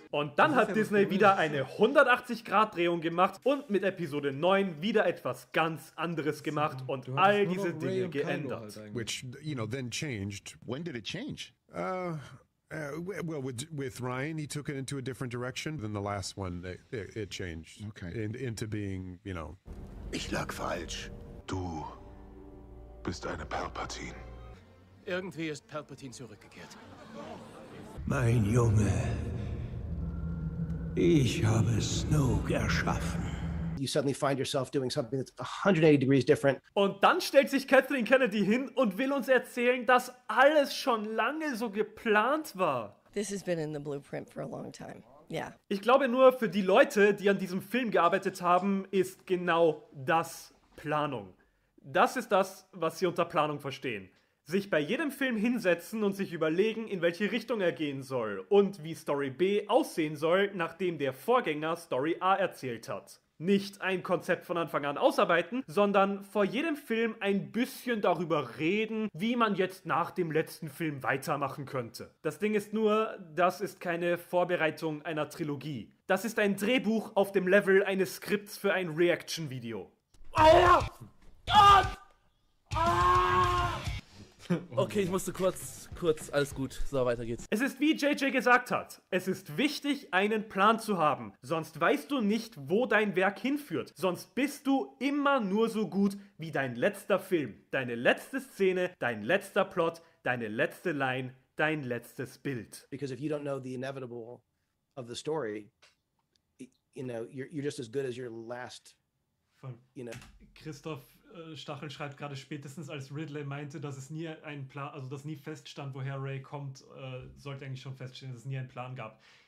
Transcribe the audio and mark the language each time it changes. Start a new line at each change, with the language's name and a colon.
German: Und dann hat ja Disney wieder eine 180-Grad-Drehung gemacht und mit Episode 9 wieder etwas ganz anderes gemacht und all diese Dinge geändert.
English: Which, you know, then changed. When did it change? Well, with Ryan, he took it into a different direction than the last one. It changed. Okay. Into being, you know.
German: Ich lag falsch. Du bist eine Palpatine. Irgendwie ist Palpatine zurückgekehrt. Mein Junge. Ich habe Snoke erschaffen.
English: You suddenly find yourself doing something that's 180 degrees different.
German: Und dann stellt sich Kathleen Kennedy hin und will uns erzählen, dass alles schon lange so geplant war.
English: This has been in the blueprint for a long time. Yeah.
German: Ich glaube nur, für die Leute, die an diesem Film gearbeitet haben, ist genau das Planung. Das ist das, was sie unter Planung verstehen. Sich bei jedem Film hinsetzen und sich überlegen, in welche Richtung er gehen soll und wie Story B aussehen soll, nachdem der Vorgänger Story A erzählt hat. Nicht ein Konzept von Anfang an ausarbeiten, sondern vor jedem Film ein bisschen darüber reden, wie man jetzt nach dem letzten Film weitermachen könnte. Das Ding ist nur, das ist keine Vorbereitung einer Trilogie. Das ist ein Drehbuch auf dem Level eines Skripts für ein Reaction-Video. Alter! Gott! Okay, ich musste kurz, alles gut, so, weiter geht's. Es ist wie JJ gesagt hat, es ist wichtig, einen Plan zu haben. Sonst weißt du nicht, wo dein Werk hinführt. Sonst bist du immer nur so gut wie dein letzter Film, deine letzte Szene, dein letzter Plot, deine letzte Line, dein letztes Bild.
English: Because if you don't know the inevitable of the story, you know, you're just as good as your last, you know.
German: Christoph Stachel schreibt gerade, spätestens als Ridley meinte, dass es nie ein Plan, also dass nie feststand, woher Rey kommt, sollte eigentlich schon feststehen, dass es nie einen Plan gab.